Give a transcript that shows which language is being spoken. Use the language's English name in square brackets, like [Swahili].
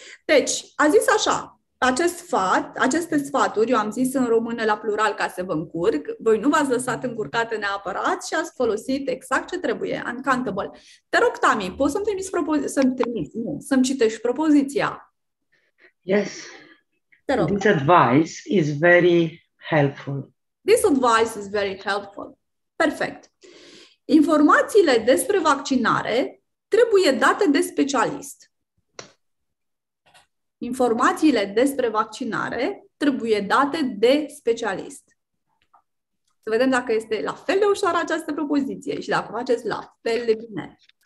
[Romanian] Deci, a zis așa, aceste sfaturi, eu am zis în română la plural ca să vă încurc, voi nu v-ați lăsat încurcate neapărat și ați folosit exact ce trebuie, uncountable. Te rog, Tami, poți să-mi trimiți să-mi citești propoziția? [English] Yes. [Romanian] Te rog. [English] This advice is very helpful. This advice is very helpful. [Romanian] Perfect. Informațiile despre vaccinare trebuie date de specialist. Informațiile despre vaccinare trebuie date de specialist. Să vedem dacă este la fel de ușoară această propoziție și dacă faceți la fel de bine.